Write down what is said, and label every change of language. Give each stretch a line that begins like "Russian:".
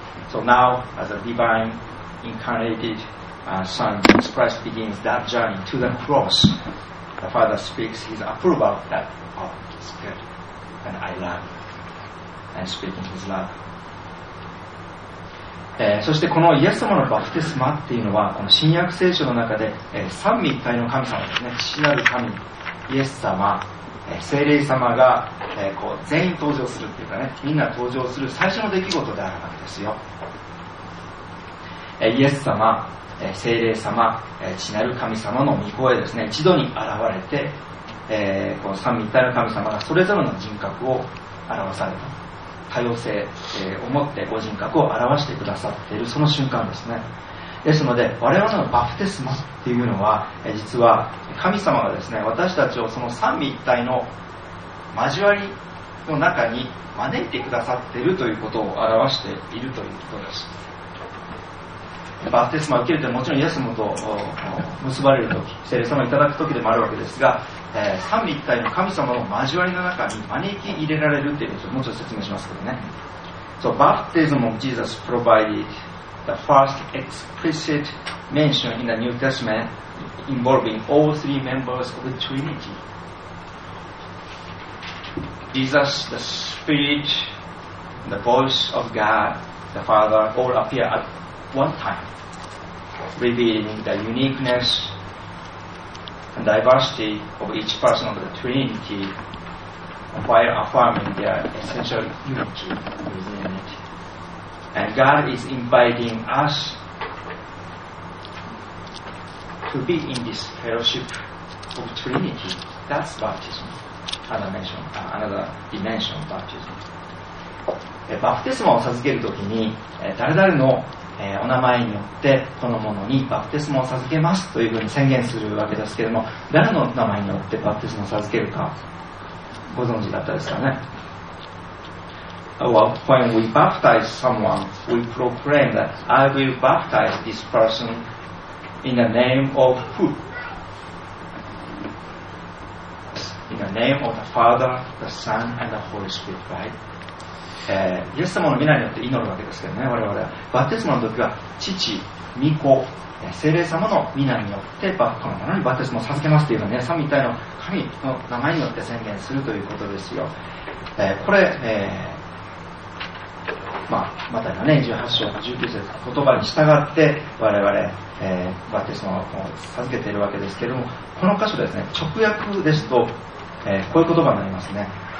English: So now, as a divine incarnated, Son, Jesus Christ begins that journey to the cross, The Father speaks His approval that of His good, and I love and speak in His love.
Japanese: そしてこのイエス様のバプテスマっていうのはこの新約聖書の中で、三位一体の神様ですね。父なる神、イエス様、聖霊様が、こう全員登場するっていうかね、みんな登場する最初の出来事であるわけですよ。イエス様、聖霊様、父なる神様の御声ですね、一度に現れて、この三位一体の神様がそれぞれの人格を表される、多様性を持ってご人格を表してくださっているその瞬間ですね。ですので我々のバプテスマっていうのは、実は神様がですね、私たちをその三位一体の交わりの中に招いてくださっているということを表しているということです。バプテスマを受けるというのはもちろんイエス様と結ばれるとき、聖霊様をいただくときでもあるわけですが、三位一体の神様の交わりの中に招き入れられるということをもうちょっと説明しますけどね。
English: So baptism of Jesus provided the first explicit mention in the New Testament involving all three members of the Trinity. Jesus, the Spirit, the voice of God, the Father, all appear at one time, revealing the uniqueness and diversity of each person of the Trinity while affirming their essential unity within it. And God is inviting us to be in this fellowship of Trinity. That's baptism. Another mention, another dimension of baptism.
Japanese: バプテスマを授けるときに、誰々のお名前によってこの者にバプテスマを授けますというふうに宣言するわけですけれども、誰の名前によってバプテスマを授けるかご存知だったですかね。
English: Well, when we baptize someone, we proclaim that I will baptize this person in the name of who? In the name of the Father, the Son, and the Holy Spirit, right?
Japanese: イエス様の御名によって祈るわけですけどね、我々はバプテスマの時は父、御子、聖霊様の御名によってこの者にバプテスマを授けますというのはね、三位一体の神の名前によって宣言するということですよ。これ、マタイの、ね、18章の19節の言葉に従って我々、バプテスマを授けているわけですけれども、この箇所ですね、直訳ですと、こういう言葉になりますね。